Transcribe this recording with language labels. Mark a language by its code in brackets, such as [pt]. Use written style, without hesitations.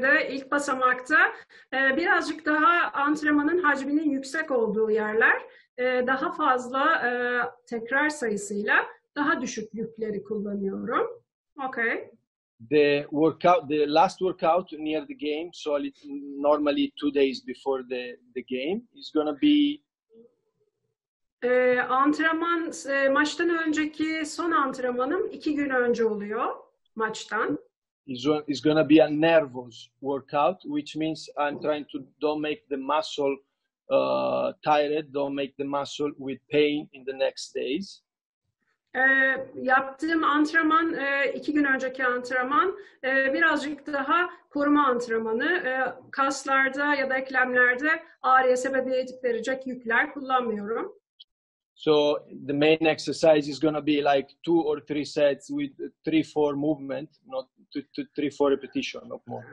[tr] İlk basamakta birazcık daha antrenmanın hacminin yüksek olduğu yerler, daha fazla tekrar sayısıyla daha düşük yükleri kullanıyorum. [en] Okay. The last workout near the game, so normally 2 days before the game is gonna be. [tr] Antrenman maçtan önceki son antrenmanım 2 gün önce oluyor maçtan. [en] It's gonna be a nervous workout, which means I'm trying to don't make the muscle tired, don't make the muscle with pain in the next days. [tr] Yaptığım antrenman, 2 gün önceki antrenman, birazcık daha koruma antrenmanı, kaslarda ya da eklemlerde ağrıya sebebiyet verecek yükler kullanmıyorum. [en] So the main exercise is gonna be like 2 or 3 sets with 3-4 movement, not 3-4 repetition, not more.